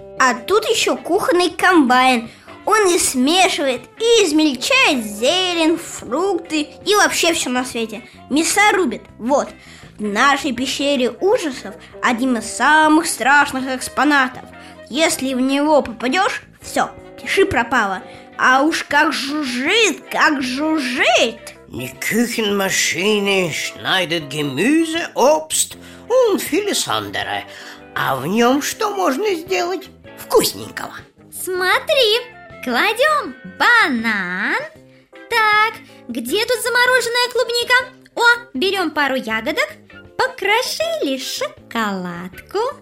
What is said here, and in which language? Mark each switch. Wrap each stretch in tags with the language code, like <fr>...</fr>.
<ru>А тут еще кухонный комбайн. Он и смешивает, и измельчает зелень, фрукты и вообще все на свете. Мяса рубит. Вот, в нашей пещере ужасов один из самых страшных экспонатов. Если в него попадешь, все, пиши пропало. А уж как жужжит!</ru> <de>Die Küchenmaschine schneidet Gemüse, Obst und vieles andere.</de> <ru>А в нем что можно сделать вкусненького? Смотри, кладем банан. Так, где тут замороженная клубника? О, берем пару ягодок. Покрошили шоколадку.</ru>